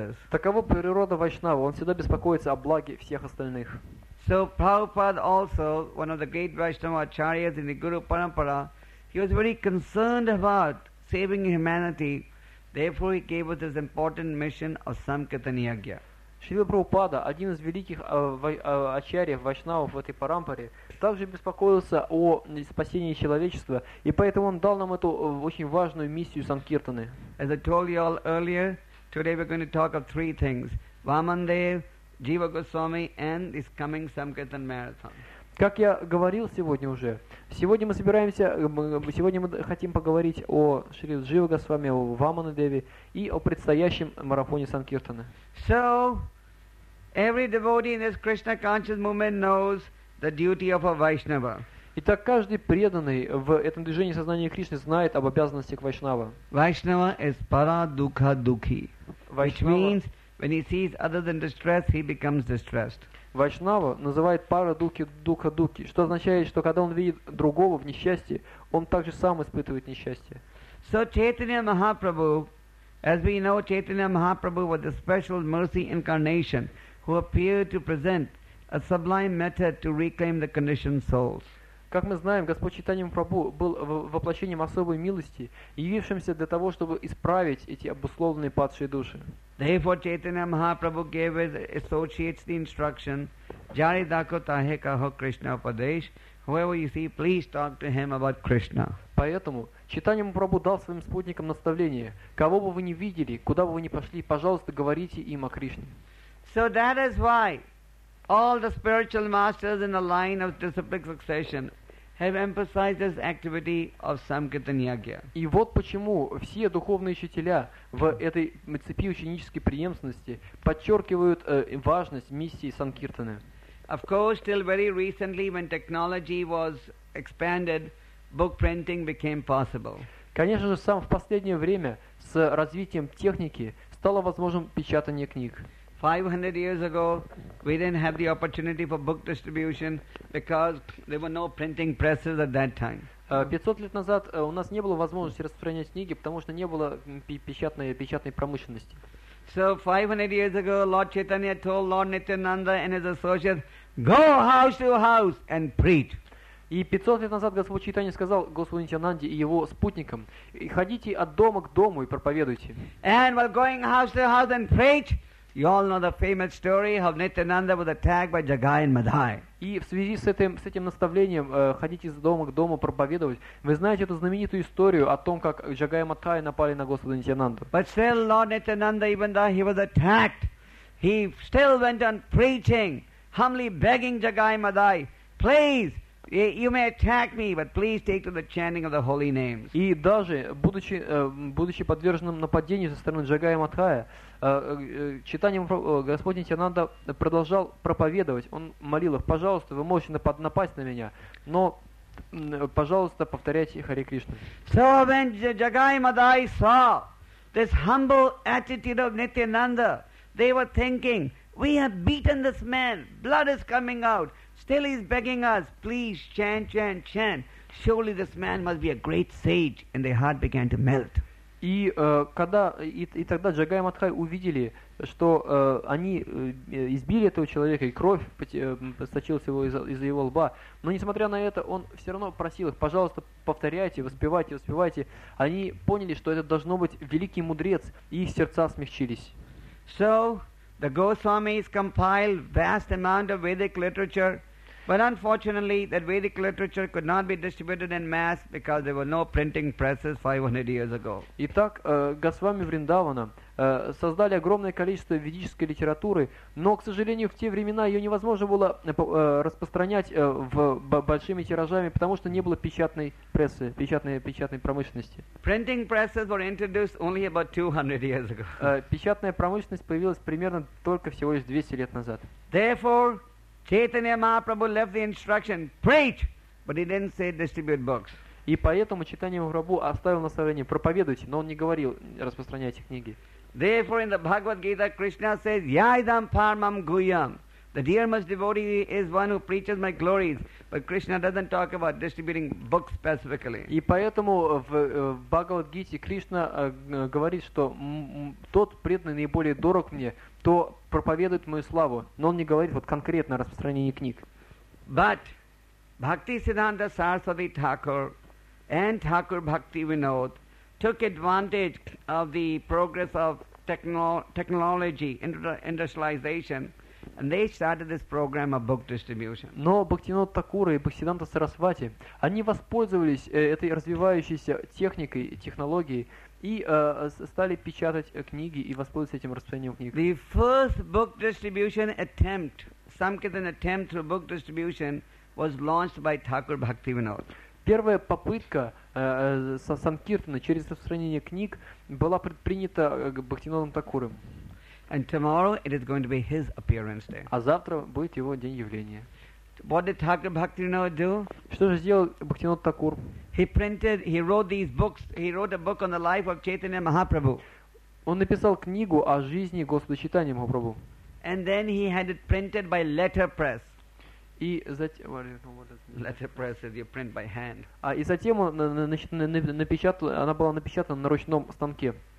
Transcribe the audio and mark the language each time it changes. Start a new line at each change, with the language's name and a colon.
Russian: Такова природа Вайшнава, он всегда беспокоится о благе всех остальных.
English: So Prabhupada also, one of the great Vaishnava acharyas in the Guru Parampara, he was very concerned about saving humanity, therefore he gave us this important mission of Samkirtan Yajna.
Russian: Шрила Прабхупада, один из великих ачарьев, вайшнавов в этой парампаре, также беспокоился о спасении человечества, и поэтому он дал нам эту очень важную миссию Санкиртаны.
English: As I told you all earlier, today we're going to talk of three things. Vamandev, Jiva Goswami, and this coming Samkirtan Marathon.
Russian: Как я говорил сегодня уже, сегодня мы хотим поговорить о Шри Джива Госвами, о Вамана Деви и о предстоящем марафоне Санкиртаны.
English: So, every devotee in this Krishna conscious movement knows the duty of a Vaishnava.
Russian: Итак, каждый преданный в этом движении сознания Кришны знает об обязанностях Вайшнава.
English: Vaishnava is para dukha dukhi, which means when he sees others in distress, he becomes distressed.
Russian: Вайшнава называет пара духа-духи, что означает, что когда он видит другого в несчастье, он также сам испытывает несчастье.
English: So Chaitanya Mahaprabhu, as we know, Chaitanya Mahaprabhu was a special mercy incarnation who appeared to present a sublime method to reclaim the conditioned souls.
Russian: Как мы знаем, Господь Чайтанья Махапрабху был воплощением особой милости, явившимся для того, чтобы исправить эти обусловленные падшие души.
English: Therefore, Chaitanya Mahaprabhu gave his associates the instruction,
Bangla: Jari dako tahe kaho Krishna padesh.
English: Whoever you see, please talk to him about Krishna.
Russian: Поэтому Чайтанья Махапрабху дал своим спутникам наставление, кого бы вы ни видели, куда бы вы ни пошли, пожалуйста, говорите им о Кришне.
English: So that is why all the spiritual masters in the line of disciplic succession have emphasized this activity of Samkirtan Yajna.
Russian: И вот почему все духовные учителя в этой цепи ученической преемственности подчеркивают важность миссии Санкиртаны.
English: Of course, till very recently, when technology was expanded, book printing became possible.
Russian: Конечно же, сам в последнее время с развитием техники стало возможным печатание книг.
English: 500 years ago, we didn't have the opportunity for book distribution because there were no printing presses at that time.
Russian: 500 лет назад у нас не было возможности распространять книги, потому что не было печатной промышленности.
English: So 500 years ago, Lord Chaitanya told Lord Nityananda and his associates, "Go house to house and preach."
Russian: И 500 лет назад Господь Чайтанья сказал Господу Нитянанде и его спутникам: "Ходите от дома к дому и проповедуйте."
English: And while going house to house and preach, you all know the famous story how Nityananda was attacked by Jagai and Madhai.
Russian: И в связи с этим наставлением ходить из дома к дому проповедовать, вы знаете эту знаменитую историю о том, как Джагай и Мадхай напали на Господа Нитянанду.
English: But still, Lord Nityananda, even though he was attacked, he still went on preaching, humbly begging Jagai and Madhai, please. You may attack me, but please take to the chanting of the holy names.
Russian: И даже будучи подверженным нападению со стороны Джагая и Мадхая, читанием Господь Нитянанда продолжал проповедовать. Он молил их: "Пожалуйста, вы можете напасть на меня, но пожалуйста, повторяйте Хари Кришну."
English: So when Jagai and Madhai saw this humble attitude of Nityananda, they were thinking, "We have beaten this man. Blood is coming out. Still he's begging us, please chant, chant, chant. Surely this man must be a great sage." And their heart began to melt.
Russian: И когда и тогда Джагай и Мадхай увидели, что они избили этого человека, и кровь сочилась из его лба, но несмотря на это, он все равно просил их: "Пожалуйста, повторяйте, воспевайте, воспевайте." Они поняли, что это должно быть великий мудрец, и их сердца смягчились.
English: So, the Goswamis compiled vast amount of Vedic literature But unfortunately, that Vedic literature could not be distributed in mass because there were no printing presses 500 years ago.
Russian: Итак, Госвами Вриндавана создали огромное количество ведической литературы, но, к сожалению, в те времена ее невозможно было распространять в большими тиражами, потому что не было печатной прессы, печатной промышленности.
English: Printing presses were introduced only about 200 years ago.
Russian: Печатная промышленность появилась примерно только всего лишь 200 лет назад.
English: Therefore, Chaitanya Mahaprabhu left the instruction, preach, but he didn't say distribute books.
Russian: И поэтому Чайтанья Махапрабху оставил наставление, проповедуйте, но он не говорил, распространяйте книги.
English: Therefore, in the Bhagavad Gita, Krishna says,
Sanskrit: Yaidam Parmam Guyam.
English: The dear most devotee is one who preaches my glories, but Krishna doesn't talk about distributing books specifically.
Russian: И поэтому в Бхагавад Гите Кришна говорит, что тот преданный наиболее дорог мне, то проповедует мою славу, но он не говорит вот конкретно о распространении книг.
English: But Bhakti Siddhanta Saraswati Thakur and Thakur Bhakti Vinod took advantage of the progress of technology, industrialization, and they started this program of book distribution.
Russian: Но Бхактивинода Такура и Бхактисиддханта Сарасвати, они воспользовались этой развивающейся техникой, технологией, и стали печатать книги и воспользоваться этим распространением книг.
English: The first book distribution attempt, Sankirtan attempt through book distribution, was launched by Thakur Bhaktivinoda.
Russian: Первая попытка Санкиртана через распространение книг была предпринята Бхактивинодом Такуром.
English: And tomorrow it is going to be his appearance day.
Russian: А завтра будет его день явления.
English: What did Thakur Bhaktivinoda do?
Russian: Что же сделал Бхактивинода Такур?
English: He wrote a book on the life of Chaitanya Mahaprabhu.
Russian: Он написал книгу о жизни Господа Чайтаньи Махапрабху.
English: And then he had it printed by letterpress.
Russian: И затем, letterpress
English: is you print by hand.
Russian: А и затем она была напечатана на ручном станке.